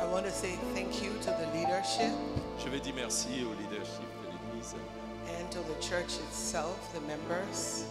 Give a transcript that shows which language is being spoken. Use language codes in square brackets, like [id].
[en] Say thank you to the leadership. [fr] Je veux dire merci au leadership de l'église. [en] And to the church itself, the members,